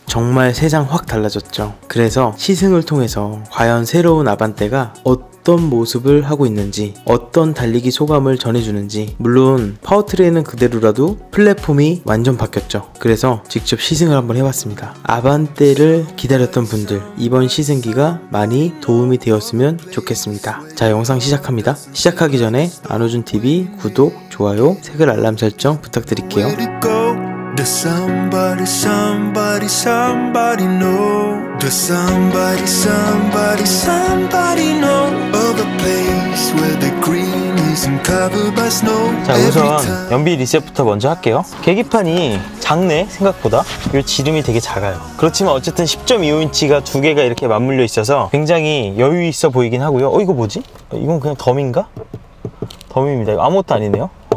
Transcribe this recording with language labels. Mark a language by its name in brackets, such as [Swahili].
[Korean] 정말 세상 확 달라졌죠. 그래서 시승을 통해서 과연 새로운 아반떼가 어떤 모습을 하고 있는지, 어떤 달리기 소감을 전해주는지, 물론 파워트레인은 그대로라도 플랫폼이 완전 바뀌었죠. 그래서 직접 시승을 한번 해봤습니다. 아반떼를 기다렸던 분들, 이번 시승기가 많이 도움이 되었으면 좋겠습니다. 자, 영상 시작합니다. 시작하기 전에 안호준 TV 구독, 좋아요, 새글 알람 설정 부탁드릴게요. [English] Does somebody, somebody, somebody know? Does somebody, somebody, somebody know of a place where the green isn't covered by snow? [Korean] 자, 우선 연비 리셋부터 먼저 할게요. 계기판이 작네, 생각보다. 그리고 지름이 되게 작아요. 그렇지만 어쨌든 10.25인치가 두 개가 이렇게 맞물려 있어서 굉장히 여유 있어 보이긴 하고요. 이거 뭐지? 이건 그냥 덤인가? 덤입니다. 이거 아무것도 아니네요.